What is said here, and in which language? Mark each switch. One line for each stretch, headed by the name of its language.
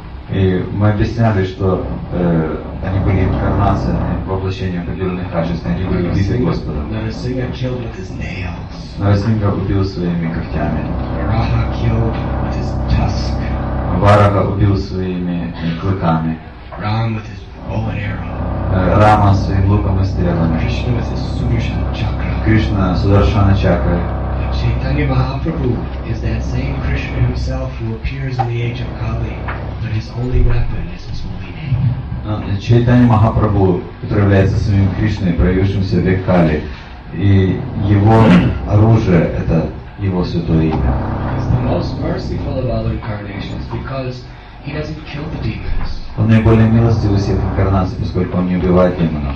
Russian: И мы объясняли, что они были инкарнациями, воплощением определенных качеств, они были убиты Господом.
English: Нарасимха killed with his nails.
Russian: Нарасимха убил своими когтями.
English: Раха killed with his tusk.
Russian: Варага убил своими клыками.
English: Рам with his bow and arrow.
Russian: Рама своим луком и стрелами.
English: Кришна with his Sudarshan chakra.
Russian: Кришна Сударшана чакрой.
English: Chaitanya Mahaprabhu is that same Krishna himself who appears in the age of Kali, but his holy weapon is his holy name.
Russian: Chaitanya Mahaprabhu, который является самим Кришной, проявившимся в век Кали, и его оружие — это его святое имя.
English: He's the most merciful of all incarnations because he doesn't kill the demons.
Russian: Он наиболее милостивый из всех инкарнаций, поскольку он не убивает демонов.